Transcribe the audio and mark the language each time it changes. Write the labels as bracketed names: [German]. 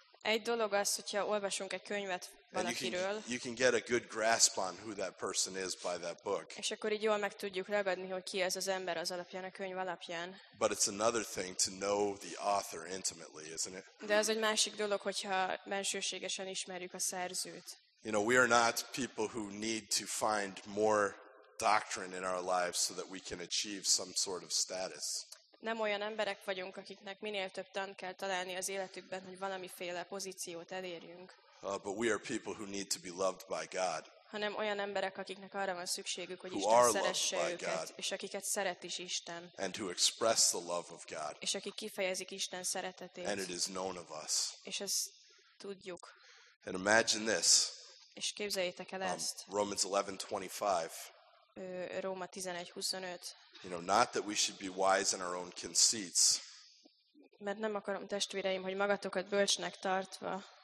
[Hungarian] Egy dolog az, hogyha olvasunk egy könyvet valakiről. [English] You can get a good grasp on who that person is by that book. [Hungarian] És akkor így jól meg tudjuk ragadni, hogy ki ez az ember az alapján, a könyv alapján. [English] But it's another thing to know the author intimately, isn't it? [Hungarian] De az egy másik dolog, hogyha bensőségesen ismerjük a szerzőt. [English] You know, we are not people who need to find more doctrine in our lives so that we can achieve some sort of status. [Hungarian] Nem olyan emberek vagyunk, akiknek minél több tant kell találni az életükben, hogy valamiféle pozíciót elérjünk. [English] But we are people who need to be loved by God. [Hungarian] Hanem olyan emberek, akiknek arra van szükségük, hogy Isten szeresse őket, és akiket szeret is Isten. [English] And who express the love of God. [Hungarian] És akik kifejezik Isten szeretetét. [English] And it is known of us. [Hungarian] És ezt tudjuk. [English] And imagine this. [Hungarian] És képzeljétek el ezt. [English] Romans 11:25. [Hungarian] Róma 11:25. [English] You know, not that we should be wise in our own conceits. [Hungarian] Mert nem akarom, testvéreim, hogy magatokat bölcsnek tartva.